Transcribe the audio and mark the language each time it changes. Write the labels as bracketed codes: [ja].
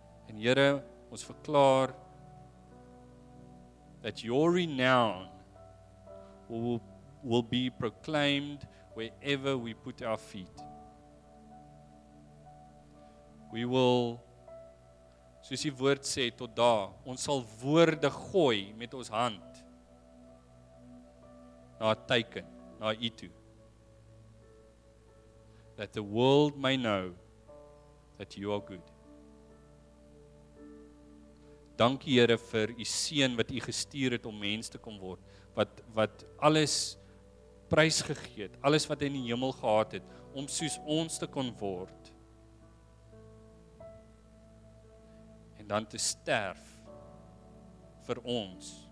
[af] En Here, ons verklaar [en] that your renown will be proclaimed wherever we put our feet. We will, [af] soos die woord sê, tot daar, ons sal woorde gooi met ons hand na 'n teken, na U toe. [en] That the world may know that You are good. [af] Dankie, Here, vir U seun wat U gestuur het om mens te kom word, wat alles prysgegee het, alles wat hy in die hemel gehad het, om soos ons te kon word. En dan te sterf vir ons.